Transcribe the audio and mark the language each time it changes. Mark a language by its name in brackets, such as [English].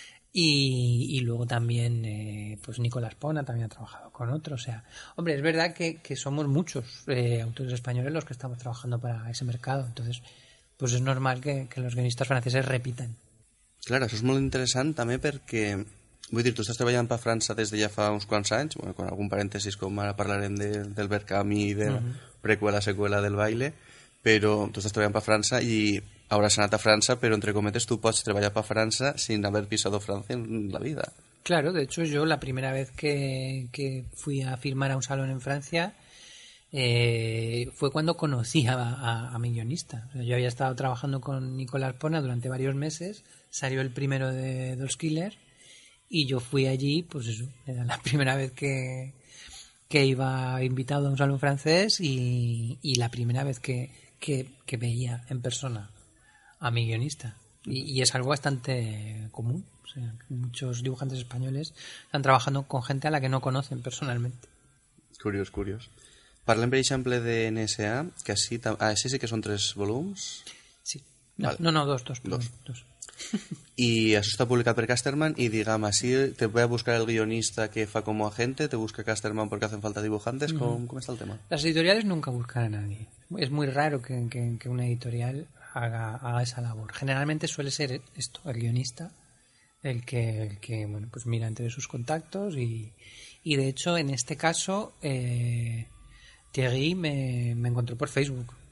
[Spanish] Y luego también pues Nicolás Pona también ha trabajado con otro. O sea, hombre, es verdad que somos muchos autores españoles los que estamos trabajando para ese mercado. Entonces, pues es normal que los guionistas franceses repitan. Claro, eso es muy interesante también porque... [Catalan] Vull dir, tu estàs treballant per França des de ja fa uns quants anys, bueno, con algun parèntesis, com ara parlarem del Bergami i de la prequela, seqüela del Baile, però tu estàs treballant per França i hauràs anat a França, però entre cometes tu pots treballar per França [Spanish] sin haver pisado [Catalan] França en la vida. [Spanish] Claro, de hecho yo la primera vez que fui a firmar a un salón en Francia fue cuando conocí a mi guionista. O sea, yo había estado trabajando con Nicolas Pona durante varios meses, salió el primero de Dos Killer, y yo fui allí, pues eso, era la primera vez que iba invitado a un salón francés y la primera vez que veía en persona a mi guionista. Y es algo bastante común. O sea, muchos dibujantes españoles están trabajando con gente a la que no conocen personalmente. Curioso, curioso. Parlem, por ejemplo, de NSA, que así... Ah, ese sí que son tres volúmenes. Sí. No, vale. No, dos. Perdón, dos. [Catalan] I això està publicat per Casterman i, diguem, així te ve a buscar el guionista que fa com a agente, te busca Casterman perquè [Spanish] hacen falta dibujantes. [Catalan] Com està el tema? [Spanish] Las editoriales nunca buscan a nadie. Es muy raro que una editorial haga esa labor. Generalmente suele ser esto, el guionista el que bueno, pues mira entre sus contactos y de hecho en este caso Thierry me encontró por Facebook.